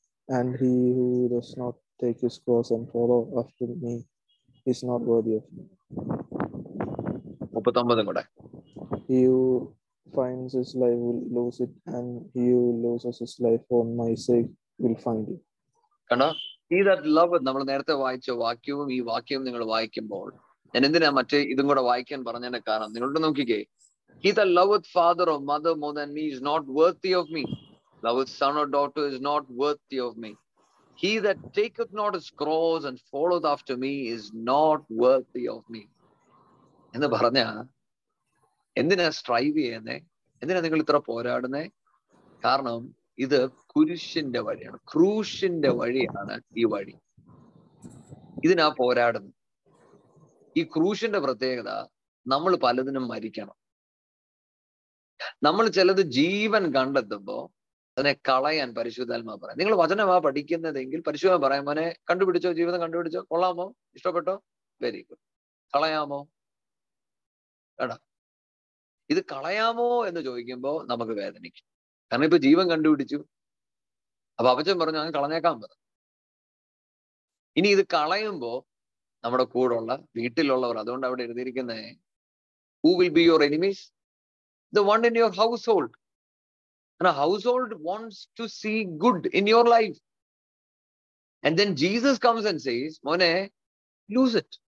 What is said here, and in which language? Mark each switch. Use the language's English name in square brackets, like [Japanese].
[English] And he who does not take his cross and follow after me is not worthy of me. [Malayalam] 39 കൂടെ. [English] He who finds his life will lose it, and he who loses his life for my sake will find it. [Malayalam] കണ്ടോ? [English] See that love. [Malayalam] നമ്മൾ നേരത്തെ വായിച്ച വാക്യവും ഈ വാക്യവും നിങ്ങൾ വായിക്കുമ്പോൾ ഞാൻ എന്തിനാ മറ്റേ ഇതും കൂടെ വായിക്കാൻ പറഞ്ഞതിന്റെ കാരണം നിങ്ങളോട് നോക്കിക്കേ. [English] He that loveth father or mother more than me is not worthy of me. Loveth son or daughter is not worthy of me. He that taketh not his cross and followeth after me is not worthy of me. [Malayalam] എന്ന് പറഞ്ഞാ എന്തിനാ strive ചെയ്യുന്നേ? എന്തിനാ നിങ്ങൾ ഇത്ര പോരാടുന്നേ? കാരണം ഇത് കുരിശിന്റെ വഴിയാണ്, ക്രൂശിന്റെ വഴിയാണ് ഈ വഴി. ഇതിനാ പോരാടുന്നു. ഈ ക്രൂശിന്റെ പ്രത്യേകത, നമ്മൾ പലതിനും മരിക്കണം. നമ്മൾ ചിലത് ജീവൻ കണ്ടെത്തുമ്പോ അതിനെ കളയാൻ പരിശുദ്ധാത്മാ പറയാം. നിങ്ങൾ വചനമാ പഠിക്കുന്നതെങ്കിൽ പരിശുദ്ധാത്മാ പറയാം, മോനെ കണ്ടുപിടിച്ചോ, ജീവിതം കണ്ടുപിടിച്ചോ, കൊള്ളാമോ, ഇഷ്ടപ്പെട്ടോ, [English] Very good. [Malayalam] കളയാമോ വേണ്ട, ഇത് കളയാമോ എന്ന് ചോദിക്കുമ്പോൾ നമുക്ക് വേദനിക്കും. കാരണം ഇപ്പൊ ജീവൻ കണ്ടുപിടിച്ചു, അപ്പൊ അപ്പച്ചൻ പറഞ്ഞു അങ്ങ് കളഞ്ഞേക്കാൻ പറ്റും. ഇനി ഇത് കളയുമ്പോ നമ്മുടെ കൂടെ ഉള്ള വീട്ടിലുള്ളവർ, അതുകൊണ്ട് അവിടെ എഴുതിയിരിക്കുന്നേ, [English] Who will be your enemies? The one in your household. And a household wants to see good in your life. And then Jesus comes and says, Mone, lose it.